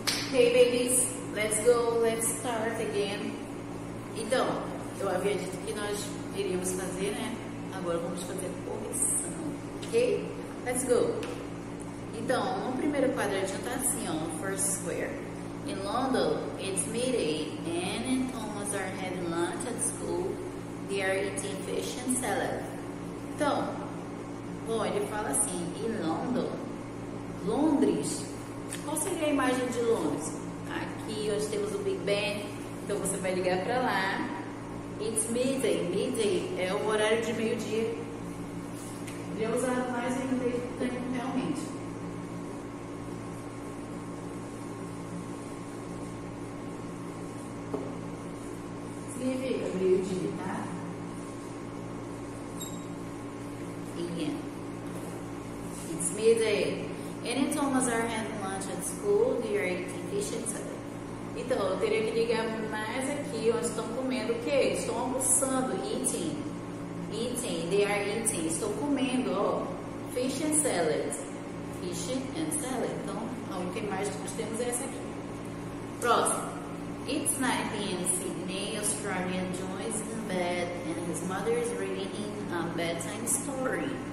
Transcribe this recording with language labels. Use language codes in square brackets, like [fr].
[en] Hey babies, let's go, let's start again. [pt] Então, eu havia dito que nós iríamos fazer, né? Agora vamos fazer a correção, ok? [en] Let's go. [pt] Então, no primeiro quadradinho tá assim, ó, [en] first square. In London, it's midday. Anne and Thomas are having lunch at school. They are eating fish and salad. [pt] Então, bom, ele fala assim, [en] in London, [pt] Londres. Qual seria a imagem de Londres? Aqui nós temos o Big Ben. Então você vai ligar para lá. [en] It's midday. [pt] Midday é o horário de meio-dia. Podia usar mais em inglês do que tem realmente. Significa meio-dia, tá? [en] Yeah. It's midday. Any Thomas are having lunch at school, they are eating fish and salad. [pt] Então, eu teria que ligar mais aqui, onde estão comendo o quê? Estão almoçando, eating. [en] Eating, they are eating. [pt] Estão comendo, ó, [en] fish and salad. Fish and salad. [pt] Então, a única imagem que nós temos é essa aqui. Próximo. [en] It's night in Sydney, Australia, joins in bed, and his mother is reading a bedtime story.